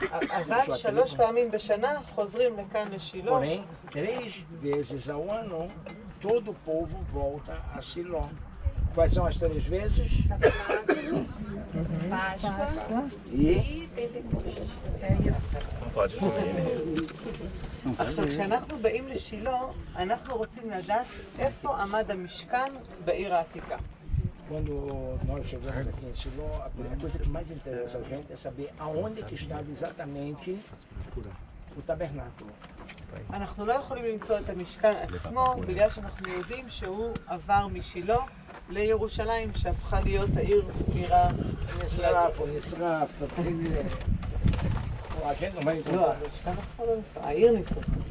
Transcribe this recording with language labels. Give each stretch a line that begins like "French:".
Hebrew: אבל שלוש פעמים בשנה חוזרים לכאן לשילה.
Portuguese: Porém, três vezes ao ano, todo o povo volta a Siló. Quais são as três vezes? Páscoa e Pentecostes.
Hebrew: עכשיו, כשאנחנו באים לשילה, אנחנו רוצים לדעת איפה עמד המשכן בעיר העתיקה.
Portuguese: Quando nós chegamos aqui em Siló, a primeira coisa que mais interessa a gente é saber aonde que estava exatamente o tabernáculo.
Hebrew: אנחנו לא יכולים למצוא את המשכן עצמו, בגלל שאנחנו יודעים שהוא עבר משילה לירושלים, שהפכה להיות העיר בירה. נשרף, תתחיל... לא, המשכן עצמו לא נשרף, העיר נשרף.